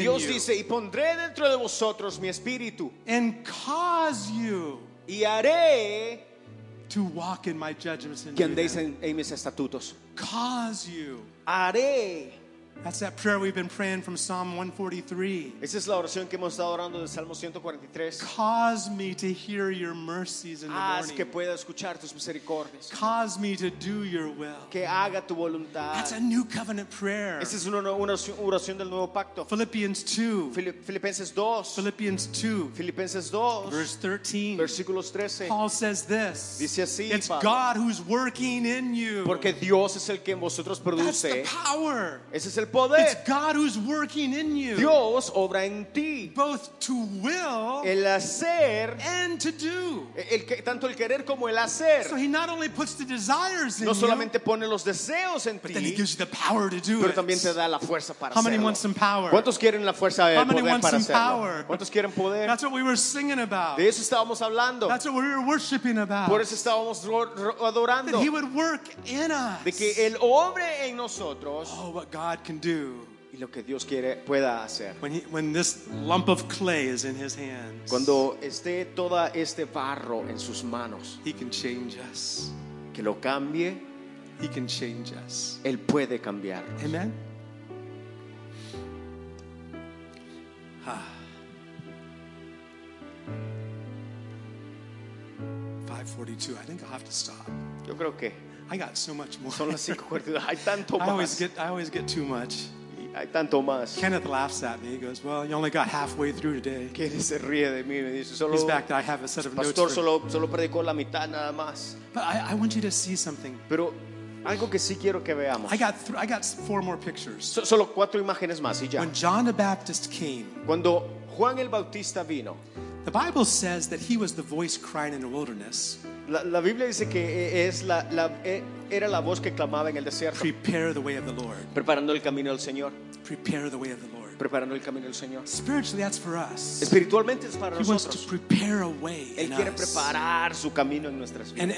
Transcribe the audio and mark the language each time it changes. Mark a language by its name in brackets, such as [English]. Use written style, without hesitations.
[Spanish] Y Dios dice, y pondré dentro de vosotros mi espíritu. [English] And cause you. [Spanish] Y haré. [English] To walk in my judgments and [Spanish] que andéis en mis estatutos. [English] Cause you. [Spanish] Haré. [English] That's that prayer we've been praying from Psalm 143. [Spanish] Esa es la oración que hemos estado orando del Salmo 143. [English] Cause me to hear your mercies in the morning. [Spanish] Haz que pueda escuchar tus misericordias. [English] Cause me to do your will. [Spanish] Que haga tu voluntad. [English] That's a new covenant prayer. [Spanish] Esa es una oración del nuevo pacto. [English] Philippians 2. [Spanish] Filipenses 2. [English] Philippians 2. [Spanish] Filipenses 2. [English] Verse 13. [Spanish] Versículos 13. [English] Paul says this. [Spanish] Dice así. [English] It's God who's working in you. [Spanish] Porque Dios es el que en vosotros produce. [English] That's the power. [Spanish] El poder. [English] It's God who's working in you. [Spanish] Dios obra en ti. [English] Both to will, [Spanish] el hacer, [English] and to do. [Spanish] Tanto el querer como el hacer. [English] So he not only puts the desires in you. [Spanish] No solamente pone los deseos en ti. [English] But then he gives you the power to do it. [Spanish] Pero también te da la fuerza para hacerlo. [English] How many want some power? [Spanish] ¿Cuántos quieren la fuerza de poder para hacerlo? [English] How many want some power? [Spanish] ¿Cuántos quieren poder? [English] That's what we were singing about. [Spanish] De eso estábamos hablando. [English] That's what we were worshiping about. [Spanish] Por eso estábamos adorando. [English] That he would work in us. [Spanish] De que él obre en nosotros. [English] Oh, what God can do. [Spanish] Y lo que Dios quiere pueda hacer. [English] When this lump of clay is in his hands. [Spanish] Cuando esté todo este barro en sus manos. [English] He can change us. [Spanish] Que lo cambie. [English] He can change us. [Spanish] Él puede cambiar. [English] Amen. I think I'll have to stop. [Spanish] Yo creo que [English] I got so much more. [Spanish] Son las 5:42. Hay tanto más. [English] I always get too much. [Spanish] Hay tanto más. [English] Kenneth laughs at me. He goes, "Well, you only got halfway through today." [Spanish] Kenneth se ríe de mí. Me dice, solo. [English] He's back. I have a set of notes. [Spanish] Pastor solo predicó la mitad nada más. [English] But I want you to see something. [Spanish] Pero algo que sí quiero que veamos. [English] I got four more pictures. [Spanish] Solo cuatro imágenes más y ya. [English] When John the Baptist came. [Spanish] Cuando Juan el Bautista vino. [English] The Bible says that he was the voice crying in the wilderness. [Spanish] La Biblia dice que era la voz que clamaba en el desierto. [English] Prepare the way of the Lord. [Spanish] Preparando el camino del Señor. [English] Prepare the way of the Lord. [Spanish] Preparando el camino del Señor. [English] Spiritually, that's for us. [Spanish] Espiritualmente es para he nosotros. [English] He wants to prepare a way. [Spanish] Él quiere preparar su camino en nuestras vidas.